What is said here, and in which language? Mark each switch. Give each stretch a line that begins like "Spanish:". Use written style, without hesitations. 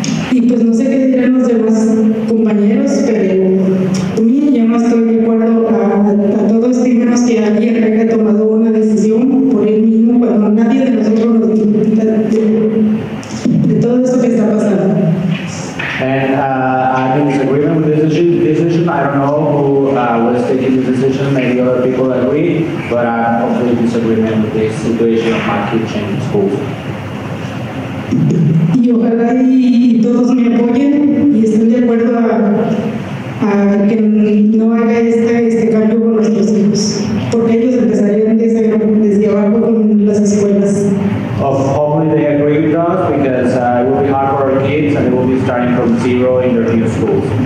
Spanish: Y pues no sé qué dirán los demás compañeros, pero a mí ya no estoy de acuerdo a todo esto, menos que alguien haya tomado una decisión por él mismo cuando nadie de nosotros nos dio cuenta de todo eso que está pasando.
English: And I'm in agreement with this decision. I don't know who was taking the decision. Maybe other people agree, but I'm completely disagreeing with this situation of my kids in school.
Spanish: Y ojalá y todos me apoyen y estén de acuerdo a que no haga este cambio con nuestros hijos, porque ellos empezarían desde abajo con las escuelas.
English: Hopefully they agree with us because it will be hard for our kids and they will be starting from zero in their new schools.